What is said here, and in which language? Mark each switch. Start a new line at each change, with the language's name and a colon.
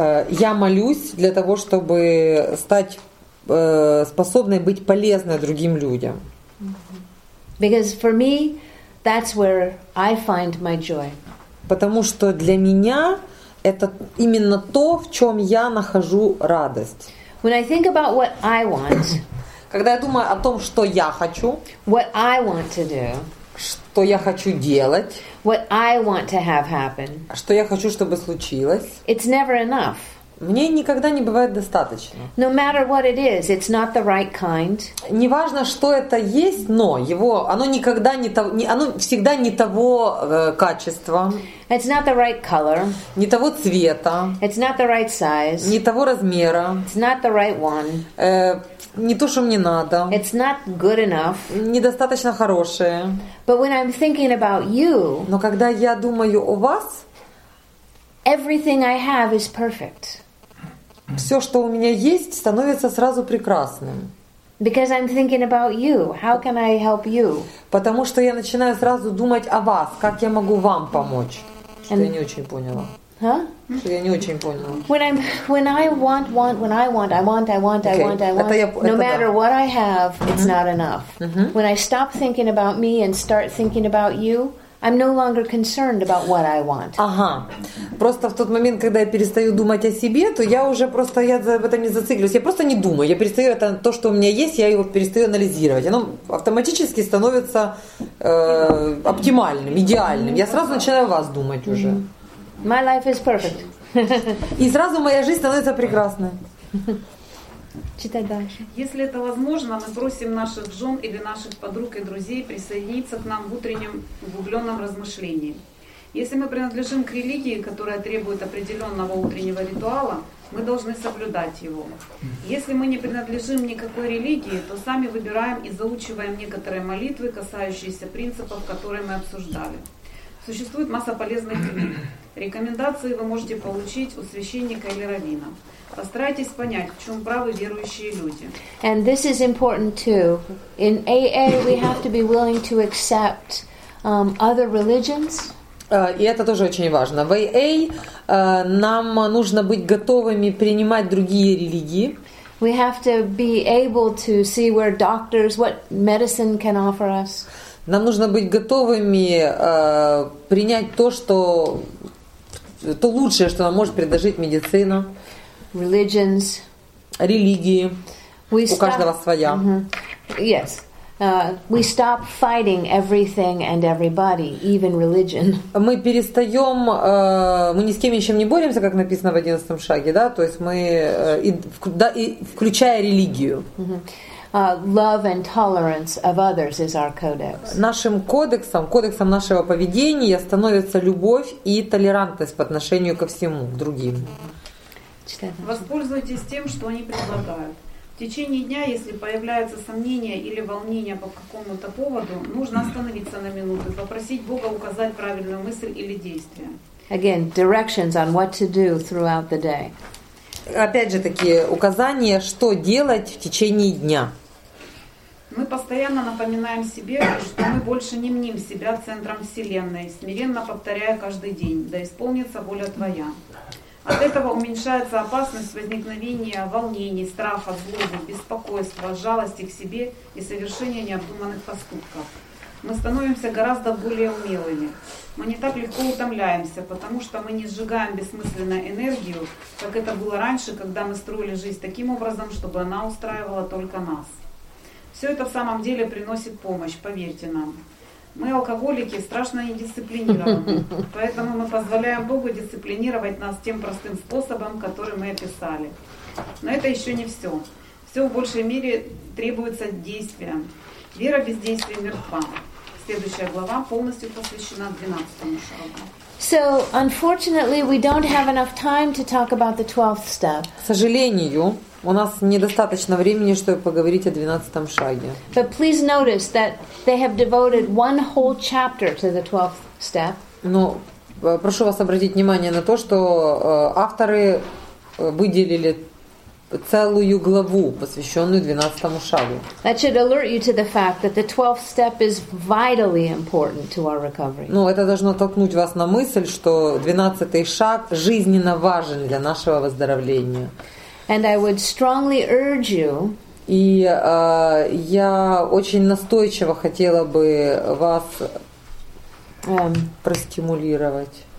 Russian: Я молюсь для того, чтобы стать способной быть полезной другим людям.
English: Because for me, that's where I find my joy.
Russian: Потому что для меня это именно то, в чем я нахожу радость.
English: When I think about what I want.
Russian: Когда я думаю о том, что я хочу,
English: what I want to do,
Russian: что я хочу делать,
English: what I want to have happen,
Russian: что я хочу, чтобы случилось,
English: it's never enough.
Russian: Мне никогда не бывает достаточно.
English: No matter what it is, it's not the right kind.
Russian: Неважно, что это есть, но его, оно никогда не того, не, оно всегда не того качества.
English: It's not the right color.
Russian: Не того цвета.
English: It's not the right size.
Russian: Не того размера.
English: It's not the right one.
Russian: Не то, что мне надо.
English: It's not good enough.
Russian: Недостаточно хорошее.
English: But when I'm thinking about you,
Russian: но когда я думаю о вас,
English: everything I have is perfect.
Russian: Все, что у меня есть, становится сразу прекрасным.
English: Because I'm thinking about you. How can I help you?
Russian: Потому что я начинаю сразу думать о вас. Как я могу вам помочь? Что я не очень поняла. Huh? Что я не очень поняла.
English: When I want, no matter what I have, it's not enough. When I stop thinking about me and start thinking about you, I'm no longer concerned about what I want.
Russian: Ага. Просто в тот момент, когда я перестаю думать о себе, то я уже просто я об этом не зациклюсь. Я просто не думаю. Я перестаю это то, что у меня есть, я его перестаю анализировать. Оно автоматически становится оптимальным, идеальным. Я сразу начинаю о вас думать уже.
English: My life is perfect.
Russian: И сразу моя жизнь становится прекрасной. Читай дальше. Если это возможно, мы просим наших жен или наших подруг и друзей присоединиться к нам в утреннем углубленном размышлении. Если мы принадлежим к религии, которая требует определенного утреннего ритуала, мы должны соблюдать его. Если мы не принадлежим никакой религии, то сами выбираем и заучиваем некоторые молитвы, касающиеся принципов, которые мы обсуждали. Существует масса полезных книг. Рекомендации вы можете получить у священника или раввина. Постарайтесь понять, в чем правы верующие люди.
English: And this is important too. In AA we have to be willing to accept other religions.
Russian: И это тоже очень важно. В AA нам нужно быть готовыми принимать другие религии.
English: We have to be able to see where doctors, what medicine can offer us.
Russian: Нам нужно быть готовыми принять то, что то лучшее, что нам может предложить медицина.
English: Religions.
Russian: Религии.
English: We stop,
Russian: у каждого своя.
English: Uh-huh. Yes. We stop fighting everything and everybody, even religion.
Russian: Мы перестаем, мы ни с кем еще не боремся, как написано в 11-м шаге, да? То есть мы, и включая религию. Love and tolerance of others is our codex. Нашим кодексом, кодексом нашего поведения становится любовь и толерантность по отношению ко всему, к другим. Воспользуйтесь тем, что они предлагают. В течение дня, если появляются сомнения или волнения по какому-то поводу, нужно остановиться на минуту, попросить Бога указать правильную мысль или действие.
English: Again, directions on what to do throughout the day.
Russian: Опять же такие указания, что делать в течение дня. Мы постоянно напоминаем себе, что мы больше не мним себя центром Вселенной, смиренно повторяя каждый день, да исполнится воля Твоя. От этого уменьшается опасность возникновения волнений, страха, злобы, беспокойства, жалости к себе и совершения необдуманных поступков. Мы становимся гораздо более умелыми. Мы не так легко утомляемся, потому что мы не сжигаем бессмысленную энергию, как это было раньше, когда мы строили жизнь таким образом, чтобы она устраивала только нас. Все это в самом деле приносит помощь, поверьте нам. Мы алкоголики, страшно недисциплинированы, поэтому мы позволяем Богу дисциплинировать нас тем простым способом, который мы описали. Но это еще не все. Все в большей мере требуется действия. Вера без действия мертва. Следующая глава полностью посвящена 12-му шагу.
English: So, unfortunately, we don't have enough time to talk about the 12th step.
Russian: К сожалению, у нас недостаточно времени, чтобы поговорить о 12-м шаге.
English: But please notice that they have devoted one whole chapter to the 12th step.
Russian: Но прошу вас обратить внимание на то, что авторы выделили целую главу, посвященную 12-му шагу.
English: That should alert you to the fact that the 12th step is vitally important to our recovery.
Russian: Ну, это должно толкнуть вас на мысль, что 12-й шаг жизненно важен для нашего выздоровления.
English: And I would strongly urge you.
Russian: И я очень настойчиво хотела бы вас простимулировать.